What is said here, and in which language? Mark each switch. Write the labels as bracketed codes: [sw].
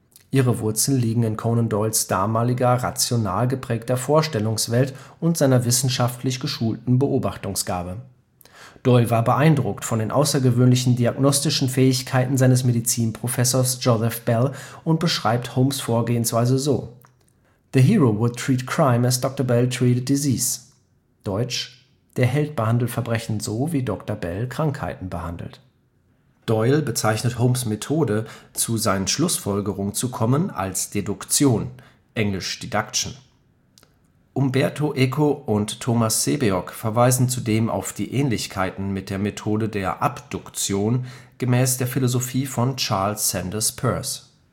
[de] Ihre Wurzeln liegen in Conan Doyles damaliger, rational geprägter Vorstellungswelt und seiner wissenschaftlich geschulten Beobachtungsgabe. Doyle war beeindruckt von den außergewöhnlichen diagnostischen Fähigkeiten seines Medizinprofessors Joseph Bell und beschreibt Holmes' Vorgehensweise so: [en] The hero would treat crime as Dr. Bell treated disease. [de] Deutsch: Der Held behandelt Verbrechen so, wie Dr. Bell Krankheiten behandelt. Doyle bezeichnet Holmes' Methode, zu seinen Schlussfolgerungen zu kommen, als Deduktion, englisch deduction. Umberto Eco und Thomas Sebeok verweisen zudem auf die Ähnlichkeiten mit der Methode der Abduktion gemäß der Philosophie von Charles Sanders Peirce.